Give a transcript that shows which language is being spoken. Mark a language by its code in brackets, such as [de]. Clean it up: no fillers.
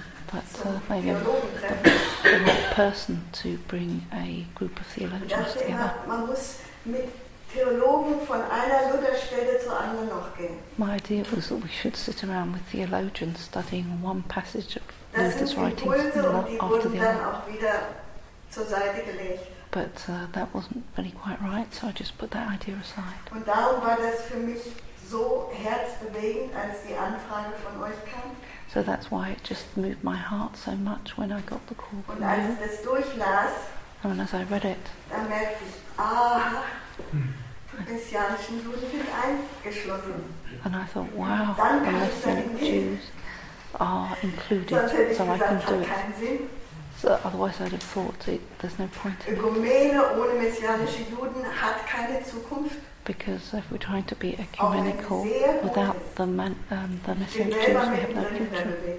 [en] But maybe the person to bring a group of theologians together. [de] Man muss mit Theologen von einer Lutherstelle zur anderen noch gehen. [en] My idea was that we should sit around with theologians studying one passage of Luther's writings after the other. [de] Auch wieder zur Seite gelegt. [en] But that wasn't really quite right, so I just put that idea aside. [de] Und darum war das für mich so herzbewegend, als die Anfrage von euch kam. [en] So that's why it just moved my heart so much when I got the call from you. [de] Und als ich das durchlas, [en] and as I read it, [de] dann merkte ich, du bist ja nicht in Juden eingeschlossen. [en] And I thought, wow, the Lutheran Jews are included, so I can do it. So otherwise I'd have thought, there's no point in it. [de] Ökumene ohne messianische Juden hat keine Zukunft. [en] Because if we're trying to be ecumenical without the messianic Jews, we have no future.